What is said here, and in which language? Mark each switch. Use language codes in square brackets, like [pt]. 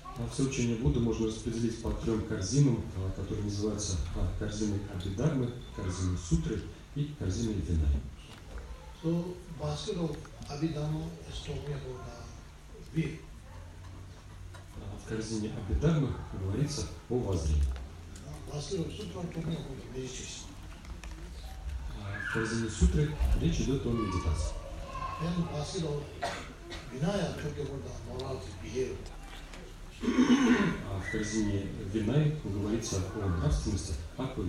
[ru] Все учение Будды можно распределить по трем корзинам, которые называются корзиной Абхидхармы, корзиной Сутры и корзиной Винаи. [en] So, basket of Abhidharma is talking about the view. [ru] В корзине Абхидхармы говорится о воззрении. [en] Basket of Sutra is talking about the meditation. [ru] В корзине Сутры речь идет о медитации. [en] And basket of Vinaya is talking about the morality, behavior. [ru] А в корзине Винаи говорится о нравственности, о